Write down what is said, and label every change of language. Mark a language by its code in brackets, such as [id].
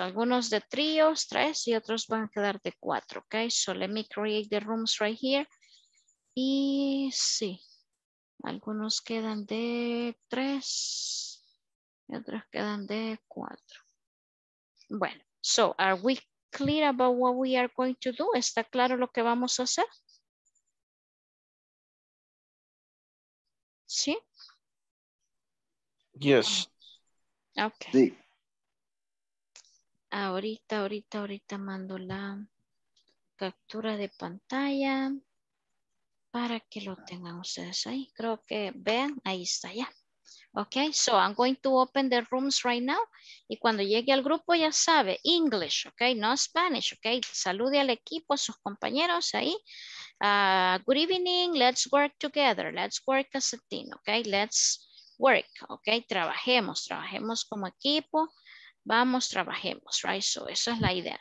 [es] Algunos de tríos, tres, y otros van a quedar de cuatro. [en] Ok, so let me create the rooms right here. [es] Y sí, algunos quedan de tres y otros quedan de cuatro. Bueno. [en] So, are we clear about what we are going to do? [es] ¿Está claro lo que vamos a hacer? ¿Sí? [en] Yes. Okay. Sí. [es] Ahorita mando la captura de pantalla para que lo tengan ustedes ahí. Creo que vean, ahí está ya. [en] Okay, so I'm going to open the rooms right now. [es] Y cuando llegue al grupo, ya sabe, English, okay, no Spanish, okay. Salude al equipo, a sus compañeros ahí. [en] Good evening, let's work together, let's work as a team, okay, let's work, okay, [es] trabajemos como equipo, vamos, trabajemos, [en] right, [es] so esa es la idea.